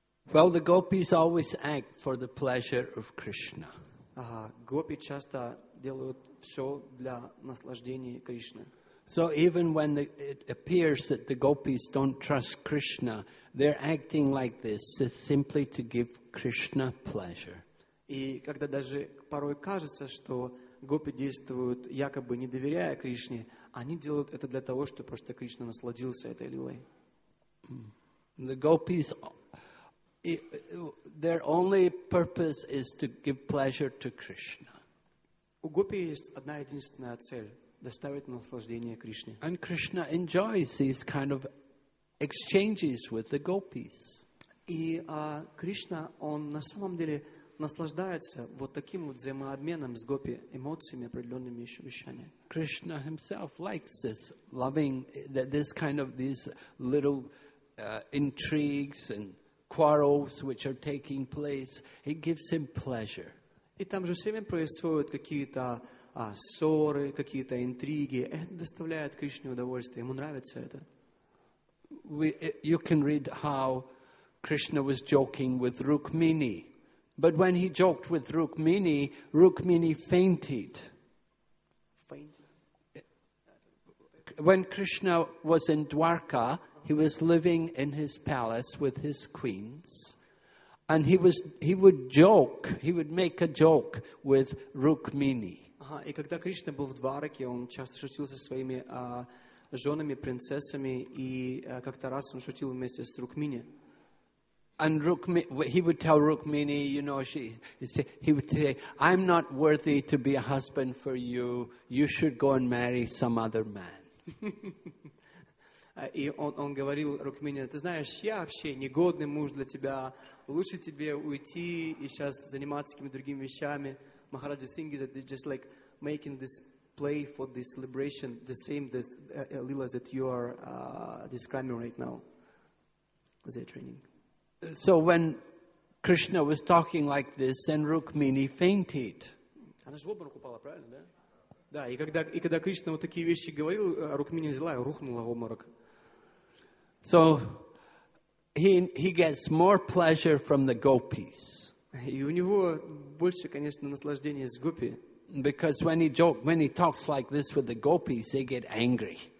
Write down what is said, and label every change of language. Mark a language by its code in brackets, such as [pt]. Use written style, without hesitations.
[en] Well, the gopis always act for the pleasure of Krishna. [ru] Гопи часто делают все для наслаждения Кришны. [en] So even when it appears that the gopis don't trust Krishna, they're acting like this simply to give Krishna pleasure. [ru] И когда даже порой кажется, что гопи действуют якобы не доверяя Кришне, они делают это для того, чтобы просто Кришна насладился этой лилой. [en] The gopis, their only purpose is to give pleasure to Krishna. [ru] У гопи есть одна единственная цель. Доставить наслаждение Кришне. [en] And Krishna enjoys these kind of exchanges with the gopis. [ru] И Кришна, он на самом деле наслаждается вот таким вот взаимообменом с гопи, эмоциями, определенными еще вещами. [en] Krishna himself likes this loving, this kind of these little intrigues and quarrels which are taking place. It gives him pleasure. [ru] И там же все время происходят какие-то ссоры, какие-то интриги. Это доставляет Кришне удовольствие. Ему нравится это. [en] You can read how Krishna was joking with Rukmini. But when he joked with Rukmini, Rukmini fainted. When Krishna was in Dwarka, he was living in his palace with his queens. And he would make a joke with Rukmini. [ru] И когда Кришна был в Двараке, он часто шутил со своими женами, принцессами, и как-то раз он шутил вместе с Рукмини. [en] And he would tell Rukmini, you know, he would say, I'm not worthy to be a husband for you, you should go and marry some other man. [ru] И он говорил Рукмини, ты знаешь, я вообще негодный муж для тебя, лучше тебе уйти и сейчас заниматься какими-то другими вещами. [en] Maharaj is thinking that they're just like making this play for this liberation, the same this, Leelas that you are describing right now. Was their training. So when Krishna was talking like this, and Rukmini fainted. [ru] Она же в обморок упала, правильно, да? Да, и когда Кришна вот такие вещи говорил, Рукмини взяла и рухнула в обморок. [en] So he gets more pleasure from the gopis. [ru] И у него больше, конечно, наслаждения с гопи. [en] Because when he talks like this with the gopis, they get angry.